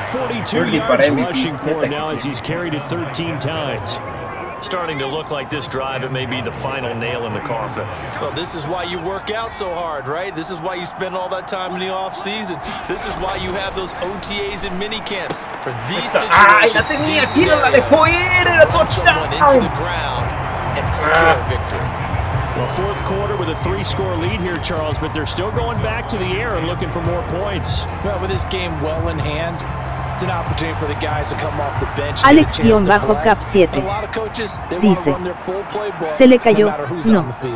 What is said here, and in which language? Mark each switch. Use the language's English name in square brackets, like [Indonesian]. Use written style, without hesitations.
[English] 42 yards rushing for him now as he's carried it 13 times. Starting to look like this drive, it may be the final nail in the coffin. Well, this is why you work out so hard, right? This is why you spend all that time in the offseason. This is why you have those OTAs and mini camps for these situations. [Spanish] Ay, la tenía aquí, no la dejó ir, [English] touchdown. Well, fourth quarter with a 3-score lead here, Charles, but they're still going back to the air and looking for more points. Well, with this game well in hand, it's an opportunity for the guys to come off the bench. [Spanish] Alex guión bajo Cap 7 dice, se le cayó, no.